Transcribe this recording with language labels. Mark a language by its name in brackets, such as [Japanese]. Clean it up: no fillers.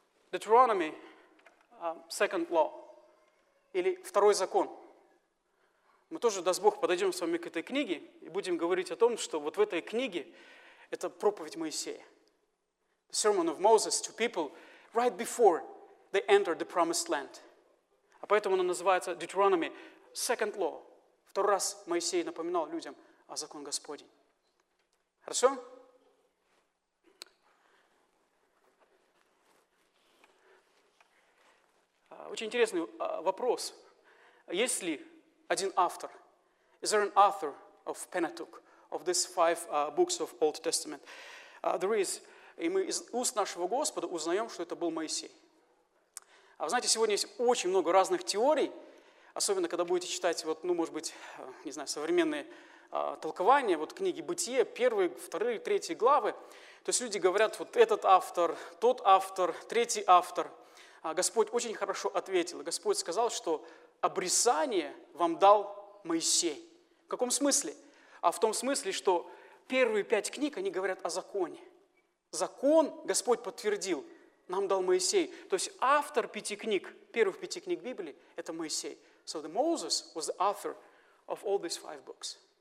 [Russian] Deuteronomy. [English] Second law, [Russian] или второй закон. Мы тоже, даст Бог, подойдем с вами к этой книге и будем говорить о том, что вот в этой книге это проповедь Моисея. [English] The sermon of Moses to people right before they entered the promised land. [Russian] А поэтому она называется Deuteronomy, [English] second law. [Russian] Второй раз Моисей напоминал людям о закон Господень. Хорошо? Очень интересный вопрос. Есть ли один автор? [English] Is there an author of Pentateuch, of these five books of Old Testament? There is. [Russian] И мы из уст нашего Господа узнаем, что это был Моисей. А вы знаете, сегодня есть очень много разных теорий, особенно когда будете читать, вот, ну, может быть, не знаю, современные толкования, вот книги «Бытие», первые, вторые, третьи главы. То есть люди говорят, вот этот автор, тот автор, третий автор. А Господь очень хорошо ответил. Господь сказал, что обрисание вам дал Моисей. В каком смысле? А в том смысле, что первые пять книг, они говорят о законе. Закон Господь подтвердил, нам дал Моисей. То есть автор пяти книг, первых пяти книг Библии, это Моисей. [English] So the Moses was the author of all these five books.